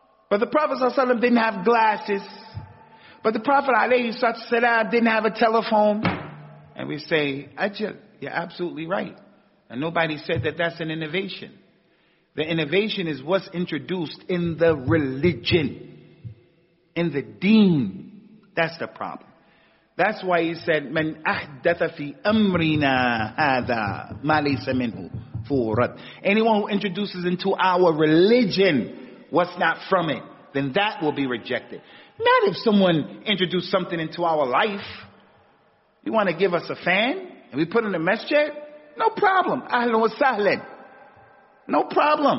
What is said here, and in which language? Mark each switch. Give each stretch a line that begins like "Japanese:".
English: But the Prophet ﷺ didn't have glasses. But the Prophet ﷺ didn't have a telephone. And we say, Ajal, you're absolutely right. And nobody said that that's an innovation. The innovation is what's introduced in the religion. In the deen. That's the problem. That's why he said,
Arabic: من أحدث في أمرنا هذا ما ليس منه فورد.
English: Anyone who introduces into our religion what's not from it, then that will be rejected. Not if someone introduced something into our life. You want to give us a fan and we put in a masjid? No problem.
Arabic: أهلا وسهلا.
English: No problem.